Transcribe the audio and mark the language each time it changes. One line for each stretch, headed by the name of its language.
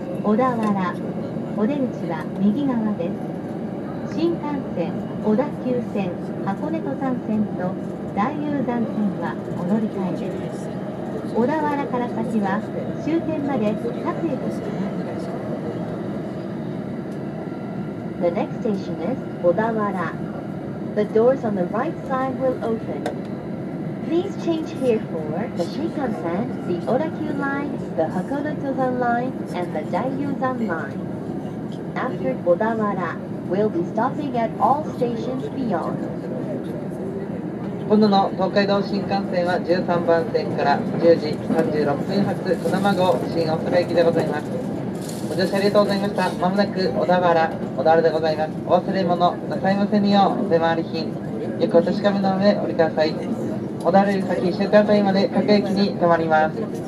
Japanese: 小田原、お出口は右側です。新幹線、小田急線、箱根登山線と大雄山線はお乗り換えです。小田原から先は終点まで各駅です。
English: The next station is 小田原。 The doors on the right side will openPlease change here for the Shinkansen, the Odakyu Line, the Hakone-Tozan Line, and the Daiyuzan Line. After Odawara, we'll be stopping at all stations beyond.
Japanese: 今度の東海道新幹線は13番線から10時36分発、児玉号新大阪駅でございます。ご乗車ありがとうございました。まもなく小田原でございます。お忘れ物なさいませぬよう、お手回り品。よくお確かめの上、降りください。小田原先終点帯まで各駅に停まります。